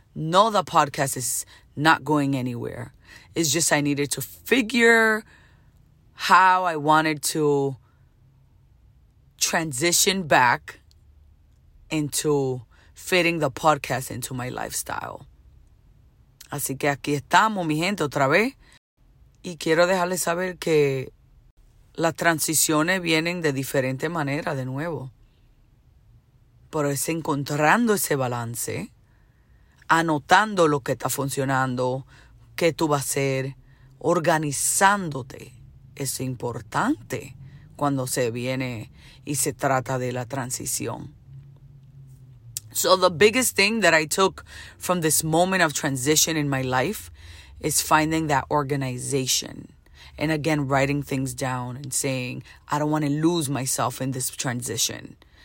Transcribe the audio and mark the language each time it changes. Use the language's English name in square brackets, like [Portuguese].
[English] No, the podcast is not going anywhere. It's just I needed to figure how I wanted to transition back into fitting the podcast into my lifestyle. [Spanish] Así que aquí estamos, mi gente, otra vez. Y quiero dejarles saber que las transiciones vienen de diferente manera de nuevo. Pero es encontrando ese balance, anotando lo que está funcionando, qué tú vas a hacer, organizándote. Es importante cuando se viene y se trata de la transición. [English] So the biggest thing that I took from this moment of transition in my life is finding that organization. And again, writing things down and saying, I don't want to lose myself in this transition.